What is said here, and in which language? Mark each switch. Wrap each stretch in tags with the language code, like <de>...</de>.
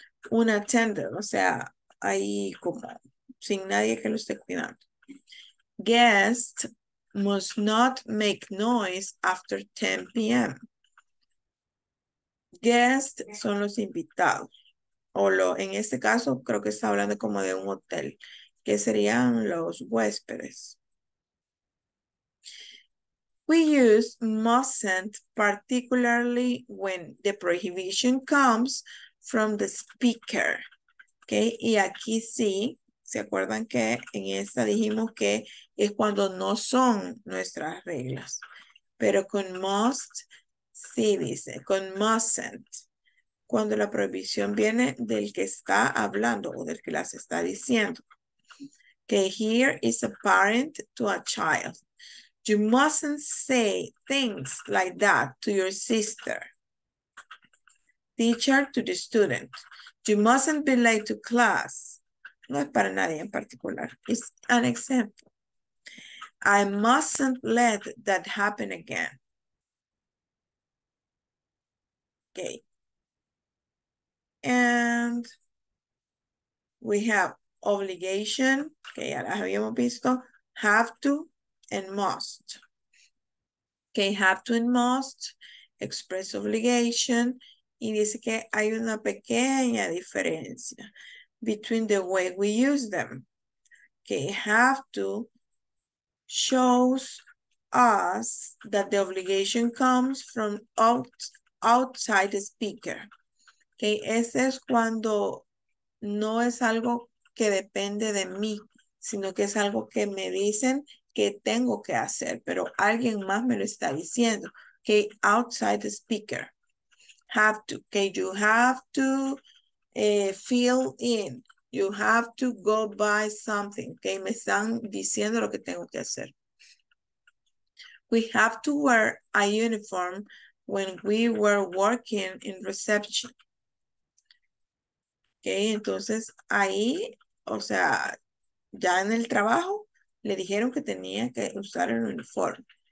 <es>Unattended, o sea, ahí como sin nadie que lo esté cuidando.</es> <en>Guests must not make noise after 10 p.m.</en> <es>Guests son los invitados. O lo, en este caso, creo que está hablando como de un hotel, que serían los huéspedes.</es> <en>We use mustn't particularly when the prohibition comes from the speaker.</en> <es>Okay, y aquí sí, ¿se acuerdan que en esta dijimos que es cuando no son nuestras reglas? Pero con must, sí dice, con mustn't. Cuando la prohibición viene del que está hablando o del que las está diciendo.</es> <en>Okay, here is a parent to a child. You mustn't say things like that to your sister. Teacher to the student. You mustn't be late to class.</en> <es>No es para nadie en particular.</es> <en>It's an example. I mustn't let that happen again. Okay. And we have obligation.</en> <es>Okay, ya las habíamos visto.</es> <en>Have to and must. Okay, have to and must. Express obligation.</en> <es>Y dice que hay una pequeña diferencia</es> <en>between the way we use them. Okay, have to shows us that the obligation comes from outside the speaker.</en> <es>Okay, ese es cuando no es algo que depende de mí, sino que es algo que me dicen que tengo que hacer, pero alguien más me lo está diciendo.</es> <en>Okay, outside the speaker. Have to, okay, you have to fill in. You have to go buy something. Okay,</en> <es>me están diciendo lo que tengo que hacer.</es> <en>We have to wear a uniform when we were working in reception.</en> <es>Okay, entonces ahí, o sea, ya en el trabajo, le dijeron que tenía que usar el uniforme.</es>